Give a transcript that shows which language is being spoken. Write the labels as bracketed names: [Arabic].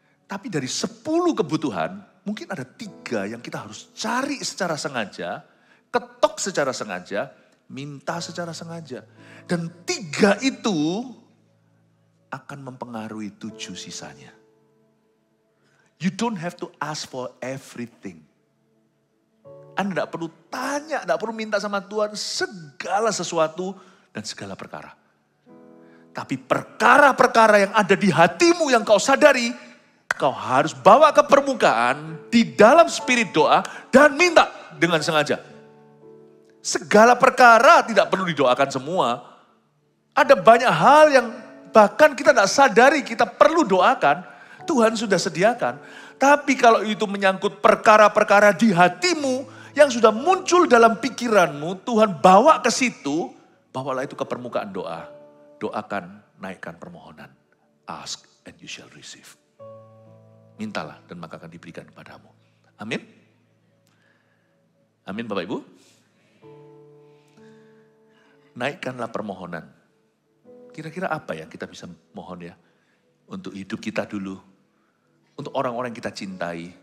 [Indonesian] Tapi dari 10 kebutuhan, mungkin ada 3 yang kita harus cari secara sengaja, ketok secara sengaja, minta secara sengaja. Dan 3 itu akan mempengaruhi 7 sisanya. [English] You don't have to ask for everything. [Indonesian] Anda gak perlu tanya, gak perlu minta sama Tuhan segala sesuatu dan segala perkara. Tapi perkara-perkara yang ada di hatimu yang kau sadari, kau harus bawa ke permukaan di dalam spirit doa dan minta dengan sengaja. Segala perkara tidak perlu didoakan semua. Ada banyak hal yang bahkan kita tidak sadari kita perlu doakan, Tuhan sudah sediakan. Tapi kalau itu menyangkut perkara-perkara di hatimu yang sudah muncul dalam pikiranmu, Tuhan bawa ke situ, bawalah itu ke permukaan doa. Doakan, naikkan permohonan. [English] Ask and you shall receive. [Indonesian] Mintalah dan maka akan diberikan kepadamu. Amin. Amin Bapak Ibu. Naikkanlah permohonan. Kira-kira apa yang kita bisa mohon ya? Untuk hidup kita dulu. Untuk orang-orang yang kita cintai.